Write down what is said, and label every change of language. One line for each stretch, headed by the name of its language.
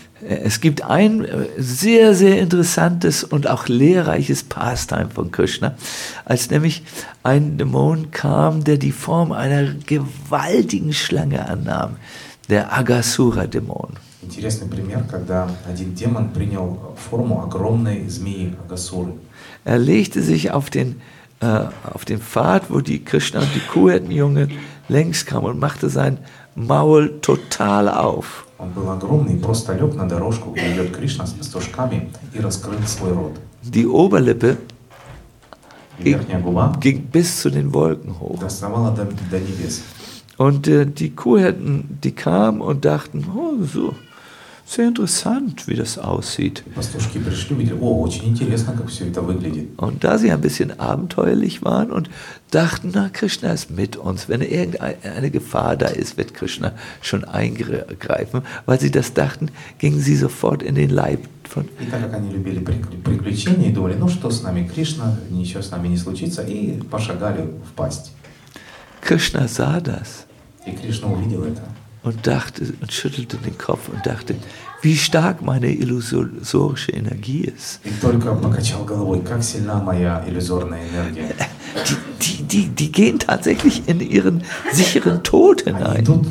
German: Es gibt ein sehr, sehr interessantes und auch lehrreiches Pastime von Krishna, als nämlich ein Dämon kam, der die Form einer gewaltigen Schlange annahm, der Agasura-Dämon.
Russian: Interessanter Пример, когда один демон принял форму огромной змеи Агасуры.
German: Er legte sich auf den Pfad, wo die Krishna und die Kuhhirtenjungen längs kamen und machte sein Maul total auf.
Russian: Он был огромный, просто лег на дорожку, где идет Кришна с пастушками и раскрыл свой рот.
German: Die Oberlippe ging bis zu den Wolken hoch.
Russian: Доставала до небес.
German: Und die Kuhhirten, die kamen und dachten, oh, so sehr interessant, wie das aussieht.
Russian: Пастушки пришли, видели, очень интересно, как все это выглядит.
German: Und da sie ein bisschen abenteuerlich waren und dachten, na, Krishna ist mit uns. Wenn irgendeine Gefahr da ist, wird Krishna schon eingreifen. Weil sie das dachten, gingen sie sofort in den Leib von...
Russian: И так как они любили приключения, думали, ну что с нами, Кришна, ничего с нами не случится, и пошагали в пасть.
German: Krishna sah das.
Russian: И Кришна увидел это.
German: und dachte und schüttelte den Kopf und dachte, wie stark meine illusorische Energie ist. Die gehen tatsächlich in ihren sicheren Tod hinein.